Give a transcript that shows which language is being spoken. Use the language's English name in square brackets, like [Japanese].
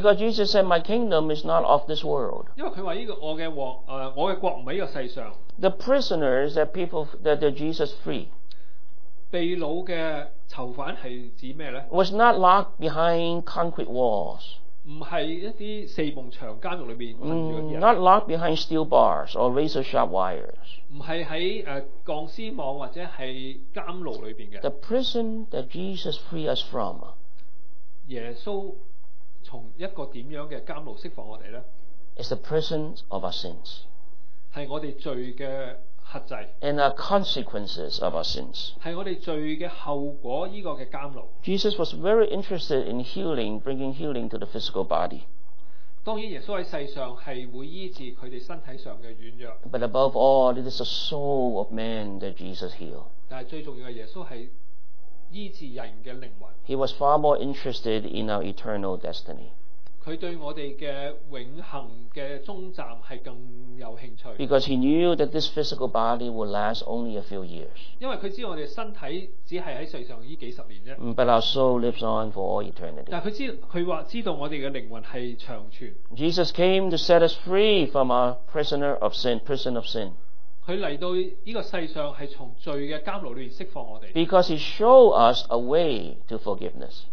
[English] Because Jesus said, My kingdom is not of this world. [Chinese] 因為他說這個我的國不是在這個世上。 [English] The prisoners that people, that Jesus free. [Chinese] 被掳的囚犯是指什麼呢? [English] Was not locked behind concrete walls. [Chinese] 不是一些四面牆監獄裡面。 [English] Not locked behind steel bars or razor sharp wires. [Chinese] 不是在鋼絲網或者是監牢裡面的。 [English] The prison that Jesus freed us from. [Chinese] 耶穌從一個怎樣的監牢釋放我們呢? [English] It's the prison of our sins. [Chinese] 是我們罪的核制。 [English] And our consequences of our sins. [Chinese] 是我們罪的後果這個監牢。 [English] Jesus was very interested in healing, bringing healing to the physical body. [Chinese] 当然耶稣在世上是会医治他们身体上的软弱。 [English] But above all, it is the soul of man that Jesus healed. [Chinese] 但是最重要的耶稣是医治人的灵魂。 [English] He was far more interested in our eternal destiny. [Chinese] 他对我们的永恒的终站是更有兴趣。 [English] Because he knew that this physical body would last only a few years. [Chinese] 因为他知道我们的身体只是在世上这几十年。 [English] But our soul lives on for all eternity. [Chinese] 但他知道我们的灵魂是长存。 [English] Jesus came to set us free from our prisoner of sin, prison of sin. [Chinese] 他来到这个世上是从罪的监牢里面释放我们。 [English] Because he showed us a way to forgiveness.